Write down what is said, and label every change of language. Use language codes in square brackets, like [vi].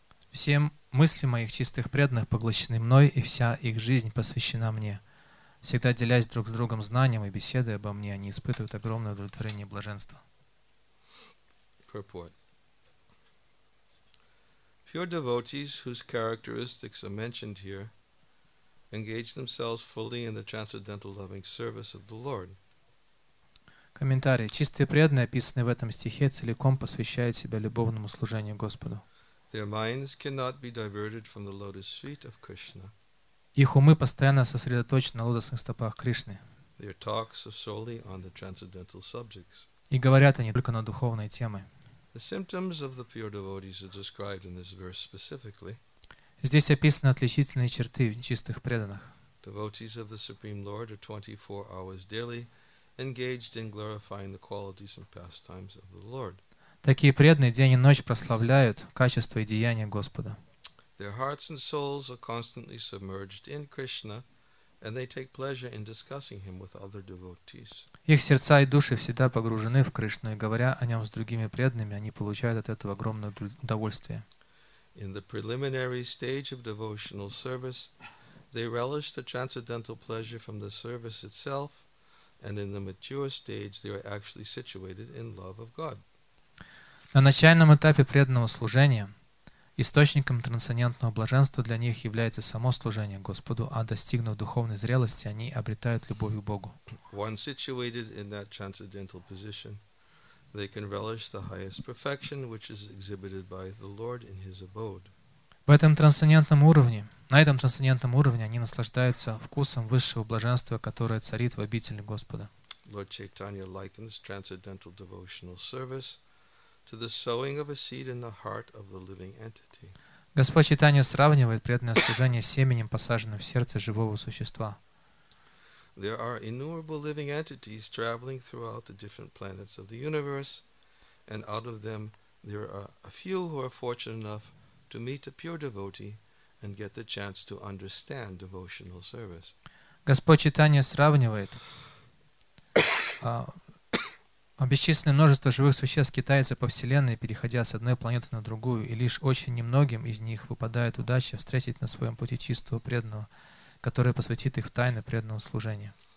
[ru] Все мысли моих чистых преданных поглощены мной, и вся их жизнь посвящена мне. Всегда делясь друг с другом знанием и беседой обо мне, они испытывают огромное удовлетворение и блаженство. [en] Purport. Pure devotees, whose characteristics are mentioned here, engage themselves fully in the transcendental loving service of the Lord. [ru] Комментарий. Чистые преданные, описанные в этом стихе, целиком посвящают себя любовному служению Господу. [en] Their minds cannot be diverted from the lotus feet of Krishna. [ru] Их умы постоянно сосредоточены на лотосных стопах Кришны. [en] Their talks are solely on the transcendental subjects. [ru] И говорят они только на духовные темы. [en] The symptoms of the pure devotees are described in this verse specifically. [ru] Здесь описаны отличительные черты чистых преданных. [en] Devotees of the Supreme Lord are 24 hours daily engaged in glorifying the qualities and pastimes of the Lord. [ru] Такие преданные день и ночь прославляют качества и деяния Господа. [en] Their hearts and souls are constantly submerged in Krishna, and they take pleasure in discussing him with other devotees. [ru] Их сердца и души всегда погружены в Кришну, и говоря о нем с другими преданными, они получают от этого огромное удовольствие. [en] In the preliminary stage of devotional service, they relish the transcendental pleasure from the service itself, and in the mature stage, they are actually situated in love of God. [ru] На начальном этапе преданного служения источником трансцендентного блаженства для них является само служение Господу, а достигнув духовной зрелости, они обретают любовь к Богу. [en] Once situated in that transcendental position, they can relish the highest perfection, which is exhibited by the Lord in His abode. [ru] На этом трансцендентном уровне они наслаждаются вкусом высшего блаженства, которое царит в обители Господа. [en] Lord Chaitanya likens transcendental devotional service to the sowing of a seed in the heart of the living entity. [ru] Господь Читания сравнивает преданное служение с семенем, посаженным в сердце живого существа. [en] There are innumerable living entities traveling throughout the different planets of the universe, and out of them there are a few who are fortunate enough to meet a pure devotee and get the chance to understand devotional service. [ru] Господь Читания сравнивает бесчисленное множество живых существ скитается по Вселенной, переходя с одной планеты на другую, и лишь очень немногим из них выпадает удача встретить на своем пути чистого преданного, который посвятит их в тайны преданного служения.